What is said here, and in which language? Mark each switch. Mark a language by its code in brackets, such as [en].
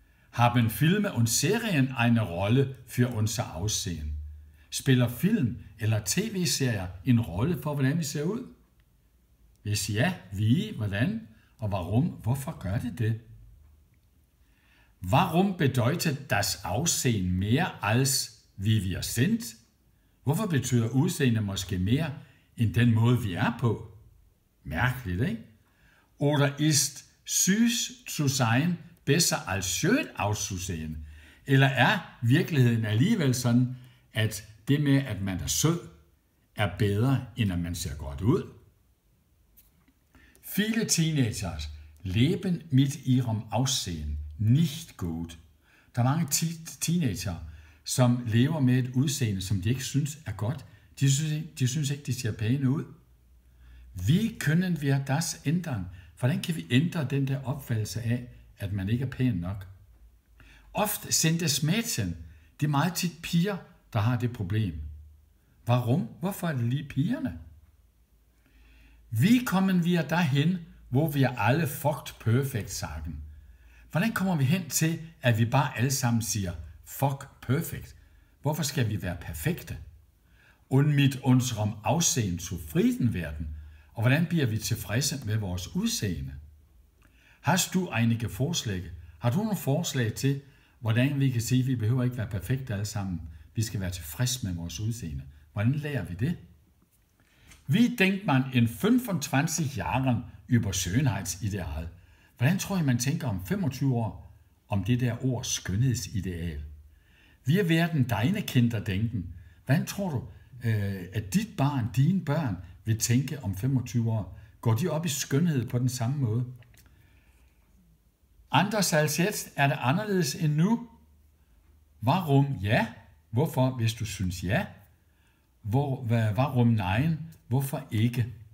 [de] Haben Filme und Serien eine Rolle für unser Aussehen? [da] Spiller film eller tv-serier en rolle for, hvordan vi ser ud? Hvis ja, wie? Hvordan? Og warum, hvorfor gør det det? [de] Warum bedeutet das Aussehen mehr als wie wir sind? [da] Hvorfor betyder udseende måske mere end den måde, vi er på? Mærkeligt, ikke? [de] Oder ist süß zu sein besser als schön auszusehen? [da] Eller er virkeligheden alligevel sådan, at det med, at man er sød, er bedre, end at man ser godt ud? [de] Viele teenagers leben mit ihrem Aussehen nicht gut. [da] Der er mange teenager, som lever med et udseende, som de ikke synes er godt. De synes ikke, de ser pæne ud. [de] Wie können wir das ändern? [da] Hvordan kan vi ændre den der opfattelse af, at man ikke er pæn nok? [de] Oft sind es Mädchen. [da] Det er meget tit piger, der har det problem. [de] Warum? [da] Hvorfor er det lige pigerne? [de] Wie kommen wir dahin, wo wir alle fucked perfect sagen? [da] Hvordan kommer vi hen til, at vi bare alle sammen siger fuck perfect? Hvorfor skal vi være perfekte? [de] Und mit unserem Aussehen zufrieden werden? [da] Og hvordan bliver vi tilfredse med vores udseende? [de] Hast du einige Vorschläge? [da] Har du nogle forslag til, hvordan vi kan sige, at vi behøver ikke være perfekte alle sammen? Vi skal være tilfredse med vores udseende. Hvordan lærer vi det? [de] Wie denkt man in 25 Jahren über Schönheitsideal? [da] Hvordan tror I, man tænker om 25 år om det der ord skønhedsideal? [de] Wie werden deine Kinder denken? [da] Hvordan tror du, at dit barn, dine børn, vil tænke om 25 år? Går de op i skønhed på den samme måde? [de] Anders als jetzt, [da] er det anderledes end nu? [de] Warum ja? [da] Hvorfor, hvis du synes ja? [de] Warum nein? [da] Hvorfor ikke?